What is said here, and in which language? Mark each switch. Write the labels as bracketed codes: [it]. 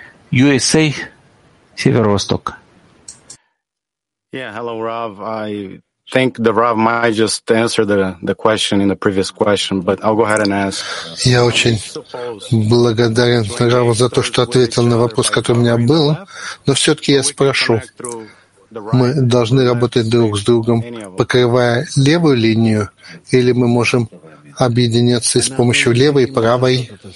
[ru] USA, Северо-Восток. [en] Yeah, hello, Rav. I think the Rav might just answer the question in the previous question, but I'll go ahead and ask. [ru] Я очень благодарен Раву за то, что ответил на вопрос, который у меня был, но все-таки я спрошу. Мы должны работать друг с другом, покрывая левую линию, или мы можем объединяться с помощью левой и правой?